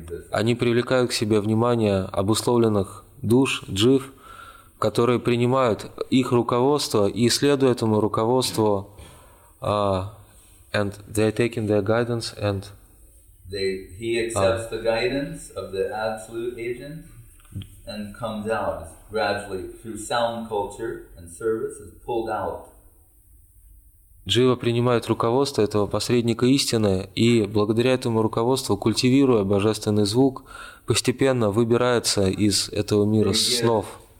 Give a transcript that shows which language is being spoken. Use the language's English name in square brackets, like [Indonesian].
[Russian] Они привлекают к себе внимание обусловленных душ, джив, которые принимают их руководство и следуют этому руководству. [English] And they are taking their guidance and he accepts the guidance of the absolute agent and comes out gradually through sound culture and service is pulled out. [Russian] Джива принимает руководство этого посредника истины и благодаря этому руководству, культивируя божественный звук, постепенно выбирается из этого мира снов.